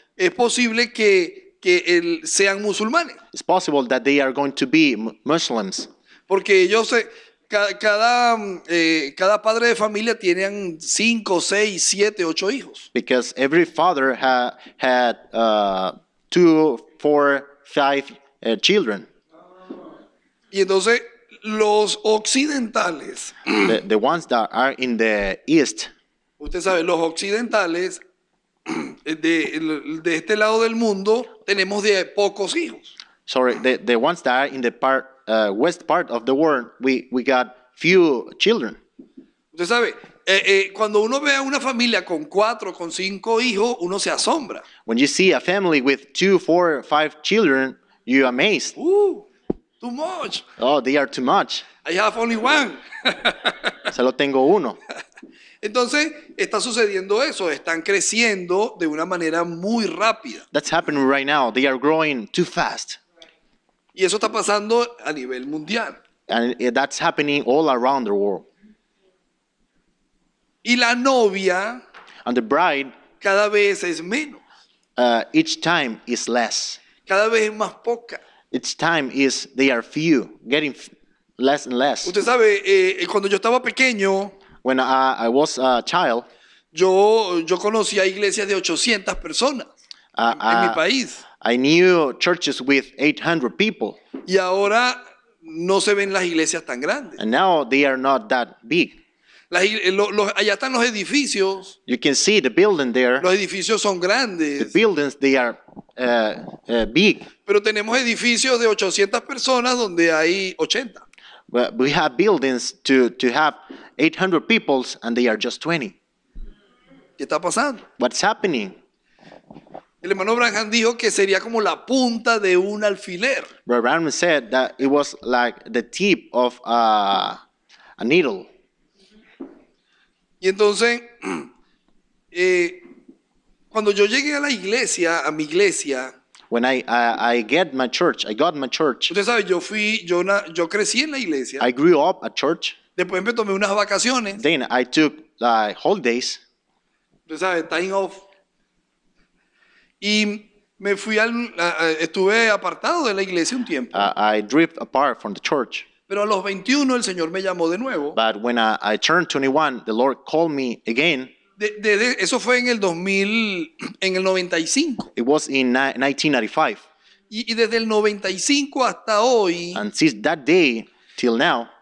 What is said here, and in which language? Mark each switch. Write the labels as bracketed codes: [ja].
[es] es posible que sean musulmanes. [en] It's possible that they are going to be Muslims. [es] Porque ellos cada padre de familia tienen 5, 6, 7, 8 hijos. [en] Because every father had 2, 4, 5 children. [es] Y entonces los occidentales, [en] the ones that are in the east. [es] Usted sabe, los occidentales de este lado del mundo tenemos de pocos hijos. [en] Sorry, the ones that are in the part west part of the world, we got few children. [es] Usted sabe, cuando uno ve a una familia con 4, con 5 hijos, uno se asombra. [en] When you see a family with 2, 4, 5 children, you amazed. Too much. Oh, they are too much. I have only one. [es] Solo tengo uno. Entonces está sucediendo eso, están creciendo de una manera muy rápida. [en] That's happening right now. They are growing too fast. [es] Y eso está pasando a nivel mundial. [en] And that's happening all around the world. [es] Y la novia, [en] and the bride, [es] cada vez es menos. [en] Each time is less. [es] Cada vez es más poca. [en] Each time is they are few, getting less and less. [es] Usted sabe, cuando yo estaba pequeño, [en] when I was a child, [es] yo conocía iglesias de 800 personas en mi país. [en] I knew churches with 800 people. [es] Y ahora no se ven las iglesias tan grandes. [en] And now they are not that big. [es] Allá están los edificios. [en] You can see the building there. [es] Los edificios son grandes. [en] The buildings, they are big. [es] Pero tenemos edificios de 800 personas donde hay 80. [en] But we have buildings to have 800 people and they are just 20. [es] ¿Qué está pasando? [en] What's happening? [es] El hermano Branham dijo que sería como la punta de un alfiler. [en] Brother Branham said that it was like the tip of a needle. [es] Y entonces, cuando yo llegué a la iglesia, a mi iglesia, [en] when I got my church. [es] Usted sabe, yo crecí en la iglesia. [en] I grew up at church. [es] Después me tomé unas vacaciones. [en] Then I took holidays. [es] Usted sabe, [en] time off. [es] Y me fui estuve apartado de la iglesia un tiempo. [en] I drifted apart from the church. [es] Pero a los 21 el Señor me llamó de nuevo. [en] But when I turned 21, the Lord called me again. [es] Eso fue en el 2000, en el 95. [en] It was in 1995. [es] Y desde el 95 hasta hoy, [en] and since that day till now,